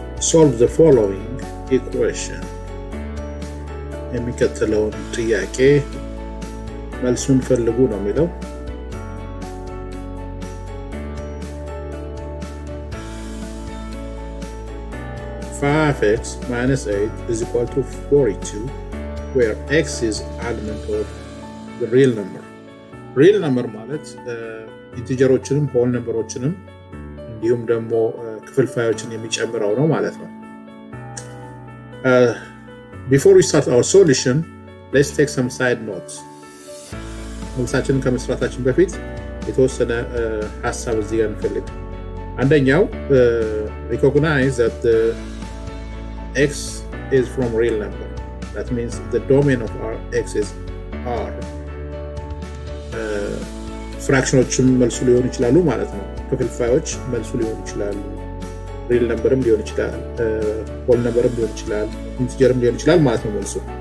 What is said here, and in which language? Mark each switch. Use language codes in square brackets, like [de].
[en] solve the following equation [am] የሚከተለውን ጥያቄ መልሱን ፈልጉ ነው የሚለው [en] (5x minus 8 is equal to 42) where x is argument of the real number. [am] Real number ማለት integerዎችንም whole numberዎችንም እንዲሁም ደግሞ ክፍልፋዮችን የሚጨምረው ነው ማለት ነው። [en] Before we start our solution, let's take some side notes. [am] ምሳችን ከመስራታችን በፊት የተወሰነ ሐሳብ እዚህ ጋር እንፈልግ። አንደኛው [en] recognize that the x is from real number. That means the domain of our x is R. [am] ፍራክሽኖችም መልሱ ሊሆን ይችላሉ ማለት ነው። ክፍልፋዮች መልሱ ሊሆን ይችላሉ። real numberም ሊሆን ይችላል whole numberም ሊሆን ይችላል integerም ሊሆን ይችላል ማለት ነው መልሱ